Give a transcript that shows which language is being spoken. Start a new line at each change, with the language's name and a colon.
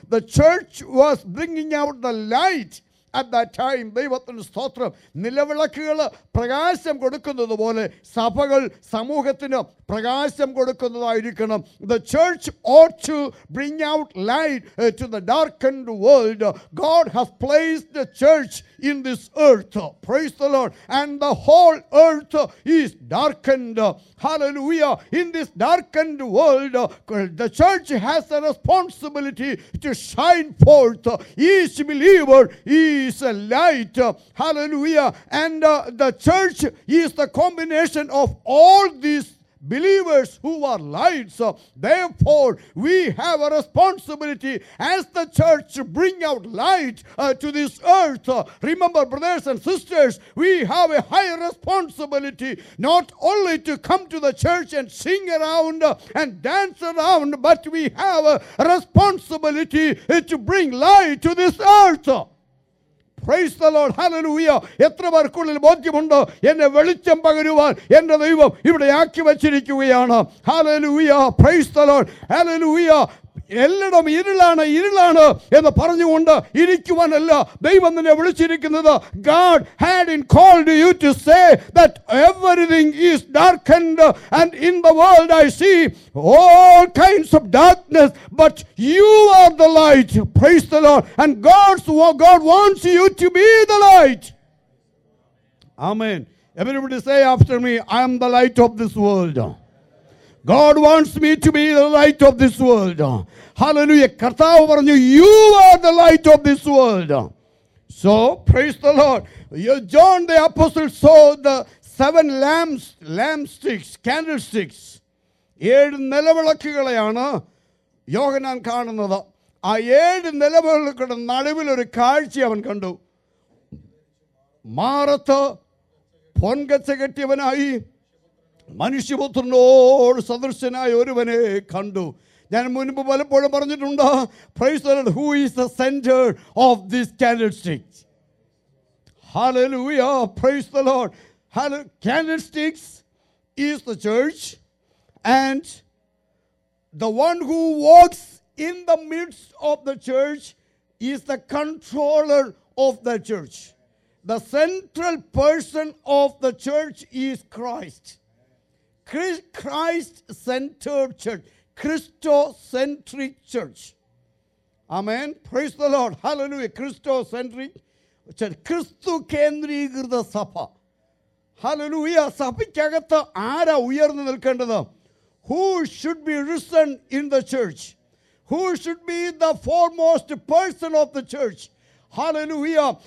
English: The church was bringing out the light at that time.
Malayalam: ദൈവത്തിന്റെ സ്തോത്രം. നിലവിളക്കുകൾ പ്രകാശം കൊടുക്കുന്നത് പോലെ സഭകൾ സമൂഹത്തിന് പ്രകാശം കൊടുക്കുന്നതായിരിക്കണം.
English: The church ought to bring out light to the darkened world. God has placed the church in this earth. Praise the Lord. And the whole earth is darkened. Hallelujah. In this darkened world, the church has a responsibility to shine forth. Each believer is a light. Hallelujah. And the church is the combination of all these believers who are lights. Therefore, we have a responsibility as the church to bring out light to this earth. Remember, brothers and sisters, we have a higher responsibility not only to come to the church and sing around and dance around, but we have a responsibility to bring light to this earth. Praise the Lord. Hallelujah.
Malayalam: എത്ര പേർക്കുള്ളിൽ ബോധ്യമുണ്ട്, എന്നെ വെളിച്ചം പകരുവാൻ എൻ്റെ ദൈവം ഇവിടെ ആക്കി വച്ചിരിക്കുകയാണ്. Hallelujah.
English: Praise the Lord.
Malayalam: Hallelujah. എല്ലടം ഇരുളാണ്, ഇരുളാണ് എന്ന് പറഞ്ഞുകൊണ്ട് ഇരിക്കുവാനല്ല ദൈവം നിന്നെ വിളിച്ചിരിക്കുന്നത്.
English: God had in called you to say that everything is darkened and in the world I see all kinds of darkness, but you are the light. Praise the Lord. And God wants you to be the light. Amen. Everybody say after me, I am the light of this world. God wants me to be the light of this world. Hallelujah.
Malayalam: കർത്താവ് പറഞ്ഞു,
English: you are the light of this world. So, praise the Lord. John the apostle saw the 7 lampsticks, candlesticks.
Malayalam: 7 നിലവിളക്കുകളെയാണ് യോഹന്നാൻ കാണുന്നത്. ആ 7 നിലവിളക്കുകളുടെ നടുവിൽ ഒരു കാഴ്ച അവൻ കണ്ടു. മാറത്ത് പൊൻകച്ച കെട്ടിയവനായി മനുഷ്യപുത്രനോട് സദൃശനായ ഒരുവനെ കണ്ടു. ഞാൻ മുൻപ് പലപ്പോഴും പറഞ്ഞിട്ടുണ്ട്,
English: Praise the Lord, who is the centre of this candlesticks. Hallelujah. Praise the Lord. Candlesticks is the church, and the one who walks in the midst of the church is the controller of the church. The central person of the church is Christ. Christ-centered church. Christocentric church. Amen. Praise the Lord. Hallelujah. Christocentric church.
Malayalam: Christu-kendrigrtha sapha.
English: Hallelujah.
Malayalam: Sapikyagatha ara uyarnu nilkandathu.
English: Who should be risen in the church? Who should be the foremost person of the church? Hallelujah.